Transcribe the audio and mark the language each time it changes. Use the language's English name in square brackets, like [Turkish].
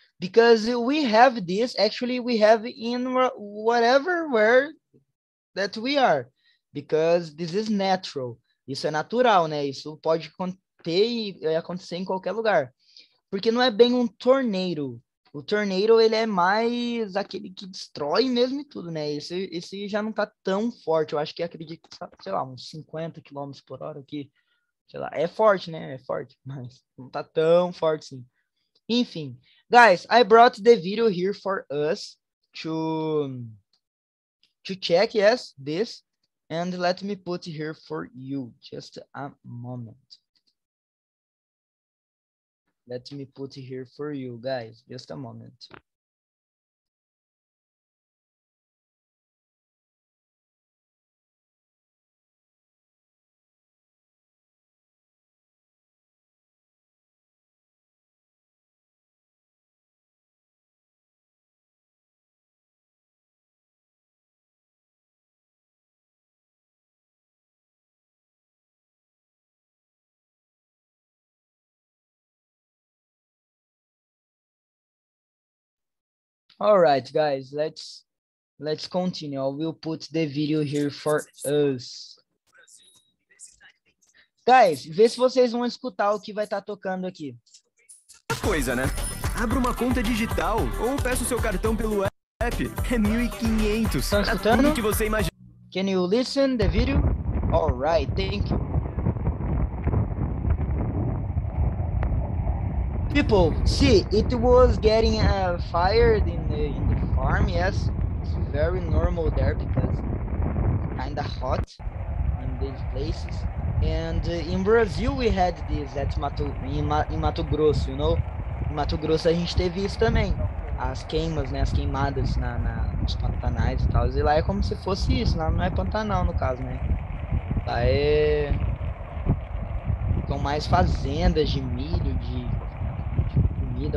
[English] Because we have this, actually, we have in whatever where that we are. Because this is natural. [Portuguese] Isso é natural, né? Isso pode ter e acontecer em qualquer lugar. Porque não é bem um tornado. O tornado, ele é mais aquele que destrói mesmo e tudo, né? Esse já não tá tão forte. Eu acho que acredito que, sei lá, uns 50 km por hora aqui. Sei lá, é forte, né? É forte, mas não tá tão forte assim. Enfim. [English] Guys, I brought the video here for us to check, yes, this. And let me put it here for you. Just a moment. Let me put it here for you, guys. Just a moment. All right, guys, let's continue. I will put the video here for us. [Portuguese] Guys, vê se vocês vão escutar o que vai estar tocando aqui. Coisa, né? Abra uma conta digital ou peça o seu cartão pelo app. É 1.500. Estão escutando? Tudo que você imagina. [English] Can you listen the video? All right, thank you. People, see, it was getting fired in the farm, yes. It's very normal there because it's kind of hot in these places. And in Brazil, we had this at Mato Grosso, you know? [Portuguese] Em Mato Grosso, a gente teve isso também. As queimas, né? As queimadas nos pantanais e tal. E lá é como se fosse isso. Lá não é Pantanal, no caso, né? Lá é... com mais fazendas de milho, de...